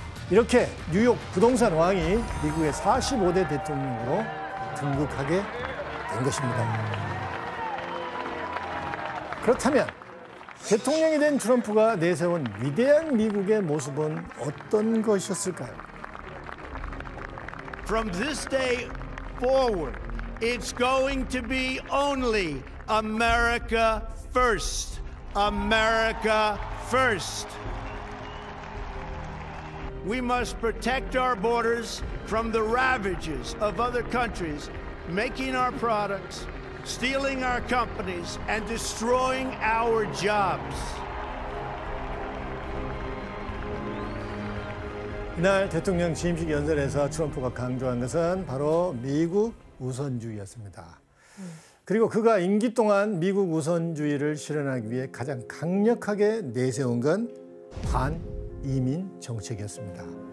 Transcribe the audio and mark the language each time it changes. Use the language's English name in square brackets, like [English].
[Korean] 이렇게 뉴욕 부동산 왕이 미국의 45대 대통령으로 등극하게 된 것입니다. 그렇다면 대통령이 된 트럼프가 내세운 위대한 미국의 모습은 어떤 것이었을까요? [English] From this day forward, it's going to be only America first. America first. We must protect our borders from the ravages of other countries making our products, stealing our companies, and destroying our jobs. [Korean] 이날 대통령 취임식 연설에서 트럼프가 강조한 것은 바로 미국 우선주의였습니다. 그리고 그가 임기 동안 미국 우선주의를 실현하기 위해 가장 강력하게 내세운 건 반이민 정책이었습니다.